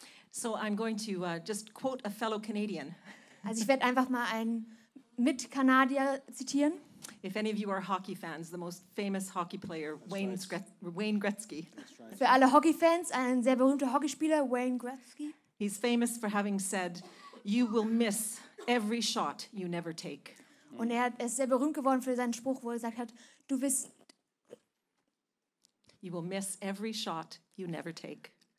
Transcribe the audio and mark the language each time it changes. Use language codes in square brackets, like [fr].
[en] So I'm going to just quote a fellow Canadian. [de] Also ich werde einfach mal einen Mitkanadier zitieren. [en] If any of you are hockey fans, the most famous hockey player, Wayne Gretzky. [de] Für alle Hockey-Fans, ein sehr berühmter Hockeyspieler, Wayne Gretzky. [en] He's famous for having said, you will miss every shot you never take. [de] Und er ist sehr berühmt geworden für seinen Spruch, wo er gesagt hat, du wirst... [en] You will miss every shot you never take.